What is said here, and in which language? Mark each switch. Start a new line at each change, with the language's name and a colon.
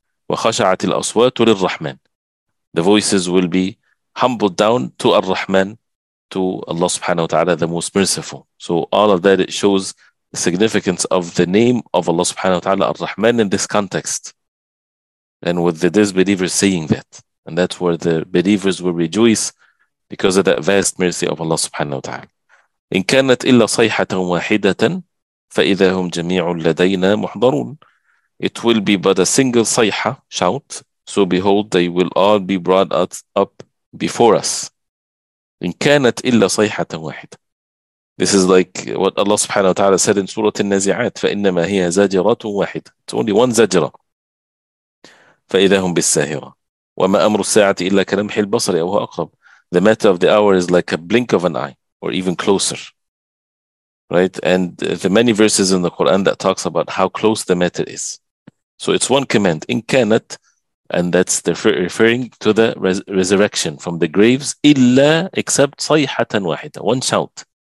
Arabic: وَخَشَعَتِ الْأَصْوَاتُ لِلْرَّحْمَنِ.
English: The voices will be humbled down to ar-Rahman, to Allah subhanahu wa ta'ala, the most merciful. So all of that, it shows the significance of the name of Allah subhanahu wa ta'ala, ar-Rahman, in this context. And with the disbelievers saying that. And that's where the believers will rejoice because of that vast mercy of Allah subhanahu wa ta'ala.
Arabic: إن كانت إلا صيحة واحدة فإذا هم جميع لدينا محضرون.
English: It will be but a single صيحة, shout. So behold, they will all be brought up before us.
Arabic: إن كانت إلا صيحة واحدة.
English: This is like what Allah subhanahu wa ta'ala said in Surah Al-Nazi'at.
Arabic: فإنما هي زجرة واحدة.
English: It's only one
Arabic: زجرة. فإذا هم بالساهرة. وما أمر الساعة إلا كلمح البصر أو هو أقرب.
English: The matter of the hour is like a blink of an eye. Or even closer, right? And the many verses in the Quran that talks about how close the matter is. So it's one command,
Arabic: in kanat,
English: and that's referring to the resurrection from the graves, illa, except
Arabic: sayhatan wahida,
English: one shout.